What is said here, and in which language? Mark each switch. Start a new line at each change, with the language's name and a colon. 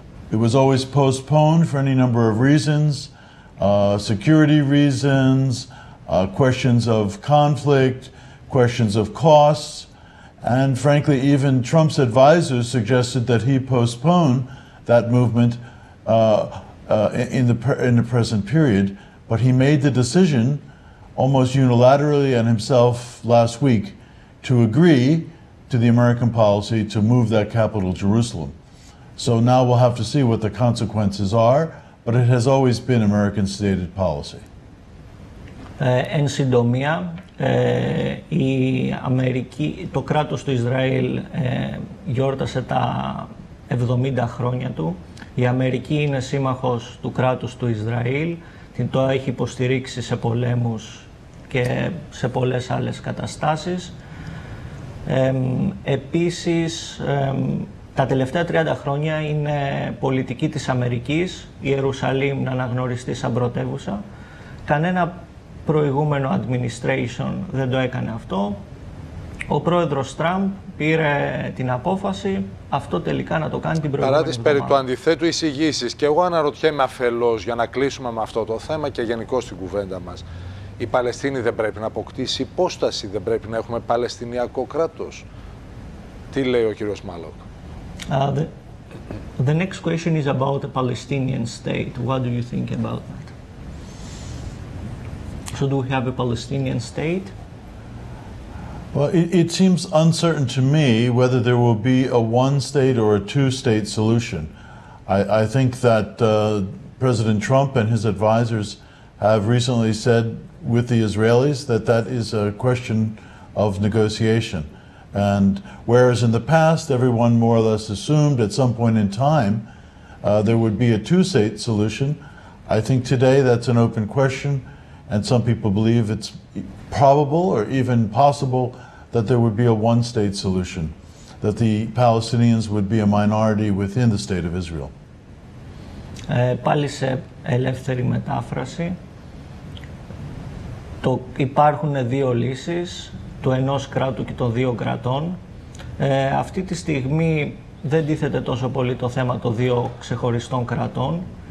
English: It was always postponed for any number of reasons, security reasons, questions of conflict, questions of costs, and frankly, even Trump's advisors suggested that he postpone that movement in the present period, but he made the decision almost unilaterally and himself last week to agree to the American policy to move that capital to Jerusalem. So now we'll have to see what the consequences are, but it has always been American stated policy.
Greek: Εν συντομία, η Αμερική, το κράτος του Ισραήλ γιόρτασε τα 70 χρόνια του. Η Αμερική είναι σύμμαχος του κράτους του Ισραήλ, την το έχει υποστηρίξει σε πολέμους και σε πολλές άλλες καταστάσεις. Επίσης, τα τελευταία 30 χρόνια είναι πολιτική της Αμερικής, η Ιερουσαλήμ να αναγνωριστεί σαν πρωτεύουσα. Κανένα προηγούμενο administration δεν το έκανε αυτό. Ο πρόεδρος Τραμπ πήρε την απόφαση αυτό τελικά να το κάνει την προηγούμενη εβδομάδα. Παρά τις περί του αντιθέτου εισηγήσεις, και εγώ αναρωτιέμαι αφελώς για να κλείσουμε με αυτό το θέμα και γενικώς την κουβέντα μας. Η Παλαιστίνη δεν πρέπει να αποκτήσει υπόσταση, δεν πρέπει να έχουμε Παλαιστινιακό κράτος. Τι λέει ο κύριος Μάλοκ?
English: The next question is about the Palestinian state. What do you think about that? So do we have a Palestinian state? Well, it seems uncertain to me whether there will be a one-state or a two-state solution. I think that President Trump and his advisors have recently said with the Israelis that that is a question of negotiation. And whereas in the past, everyone more or less assumed at some point in time there would be a two-state solution, I think today that's an open question. And some people believe it's probable or even possible that there would be a one-state solution, that the Palestinians would be a minority within the state of Israel.
Greek: Πάλι σε ελεύθερη μετάφραση, υπάρχουν δύο λύσεις, το ενός κράτου και των δύο κρατών. Αυτή τη στιγμή δεν τίθεται τόσο πολύ το θέμα των δύο ξεχωριστών κρατών.